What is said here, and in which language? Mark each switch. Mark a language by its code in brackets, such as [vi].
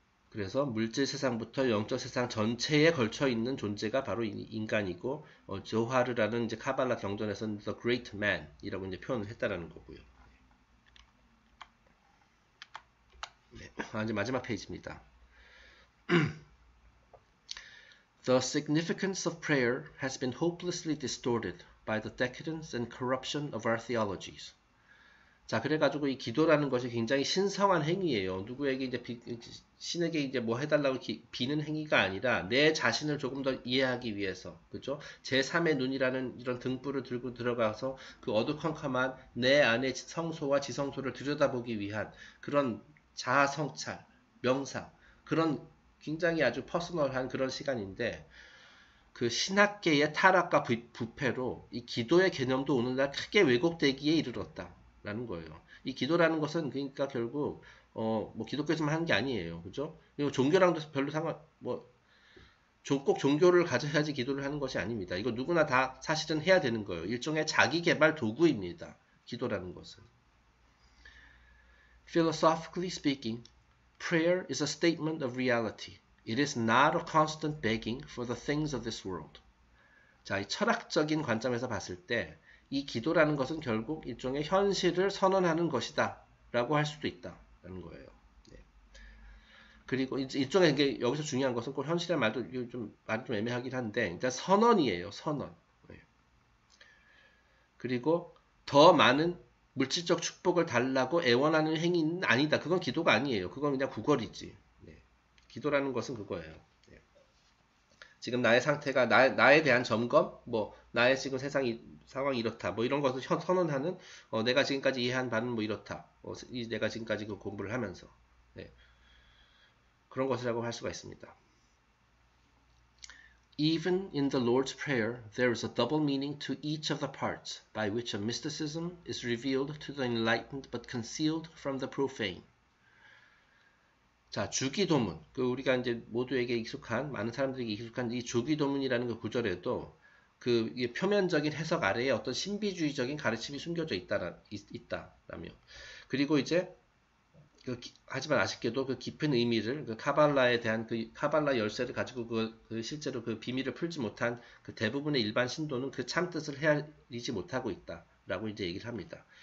[ko] 그래서 물질 세상부터 영적 세상 전체에 걸쳐 있는 존재가 바로 인간이고, 조하르라는 이제 카발라 경전에서는 The Great Man이라고 이제 표현을 했다라는 거고요. 네. 아, 이제 마지막 페이지입니다. [en] The significance of prayer has been hopelessly distorted by the decadence and corruption of our theologies. [ko] 자, 그래가지고 이 기도라는 것이 굉장히 신성한 행위예요. 누구에게 이제 신에게 이제 뭐 해달라고 비는 행위가 아니라 내 자신을 조금 더 이해하기 위해서, 그죠? 제3의 눈이라는 이런 등불을 들고 들어가서 그 어두컴컴한 내 안의 성소와 지성소를 들여다보기 위한 그런 자아 성찰, 명상, 그런 굉장히 아주 퍼스널한 그런 시간인데, 그 신학계의 타락과 부패로 이 기도의 개념도 오늘날 크게 왜곡되기에 이르렀다. 라는 거예요. 이 기도라는 것은 그러니까 결국 뭐 기독교에서만 하는 게 아니에요. 그죠? 이거 종교랑도 별로 상관 뭐꼭 종교를 가져야지 기도를 하는 것이 아닙니다. 이거 누구나 다 사실은 해야 되는 거예요. 일종의 자기 개발 도구입니다. 기도라는 것은. [en] Philosophically speaking, prayer is a statement of reality. It is not a constant begging for the things of this world. [ko] 자, 이 철학적인 관점에서 봤을 때이 기도라는 것은 결국 일종의 현실을 선언하는 것이다라고 할 수도 있다라는 거예요. 네. 그리고 이쪽에 이게 여기서 중요한 것은 꼭 현실의 말도 좀 말이 좀 애매하긴 한데 일단 선언이에요, 선언. 네. 그리고 더 많은 물질적 축복을 달라고 애원하는 행위는 아니다. 그건 기도가 아니에요. 그건 그냥 구걸이지. 네. 기도라는 것은 그거예요. 지금 나의 상태가 나에 대한 점검, 뭐 나의 지금 상황이 이렇다, 뭐 이런 것을 선언하는 내가 지금까지 이해한 바는 뭐 이렇다, 내가 지금까지 그 공부를 하면서 네. 그런 것이라고 할 수가 있습니다. [en] Even in the Lord's Prayer, there is a double meaning to each of the parts by which a mysticism is revealed to the enlightened but concealed from the profane. [ko] 자, 주기도문. 그 우리가 이제 모두에게 익숙한 많은 사람들에게 익숙한 이 주기도문이라는 그 구절에도 그 표면적인 해석 아래에 어떤 신비주의적인 가르침이 숨겨져 있다라며. 그리고 이제 하지만 아쉽게도 그 깊은 의미를 그 카발라에 대한 그 카발라 열쇠를 가지고 그 실제로 그 비밀을 풀지 못한 그 대부분의 일반 신도는 그 참뜻을 헤아리지 못하고 있다라고 이제 얘기를 합니다.